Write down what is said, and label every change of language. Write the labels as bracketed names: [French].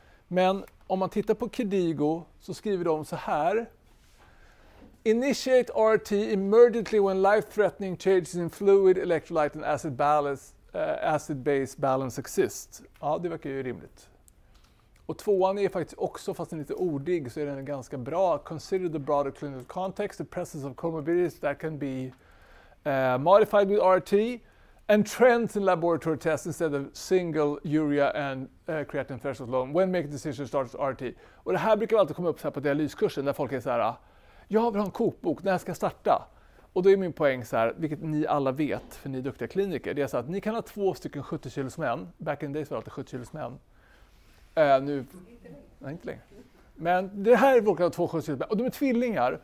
[Swedish] Men om man tittar på Kidigo så skriver de så här: [English] Initiate RT immediately when life-threatening changes in fluid, electrolyte and acid balance. Acid-base balance exist. [Swedish] Ja, det verkar ju rimligt. Och tvåan är faktiskt också, fast den är lite ordig, så är den ganska bra. [English] Consider the broader clinical context, the presence of comorbidities that can be modified with RT, and trends in laboratory tests instead of single urea and creatinine threshold alone. When make a decision to start RT. [Swedish] Och det här brukar alltid komma upp så här på dialyskursen, där folk är så här: jag vill ha en kokbok, när ska jag starta? Och då är min poäng så här, vilket ni alla vet, för ni är duktiga kliniker, det är så att ni kan ha två stycken 70-kilos män. [English] Back in the days [Swedish] var det alltid 70-kilos män. Inte längre. Men det här är två 70-kilos män. Och de är tvillingar.